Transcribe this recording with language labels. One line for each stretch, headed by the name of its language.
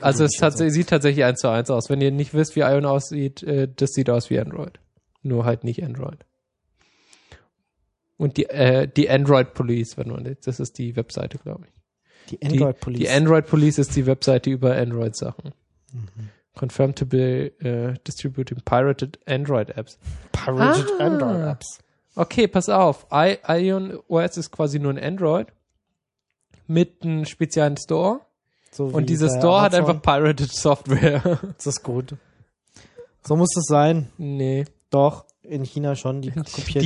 German: mir. Also, es sieht tatsächlich 1:1 aus. Wenn ihr nicht wisst, wie Ion aussieht, das sieht aus wie Android. Nur halt nicht Android. Und die Android Police, wenn man das ist die Webseite, glaube ich. Die Android Police? Die Android Police ist die Webseite über Android-Sachen.
English: Confirmed to be distributing pirated Android apps. Pirated Android apps.
German: Okay, pass auf. Ion OS ist quasi nur ein Android mit einem speziellen Store. So und dieser Store hat einfach pirated Software. Das ist gut. So muss das sein. Nee. Doch, in China schon. Die kopieren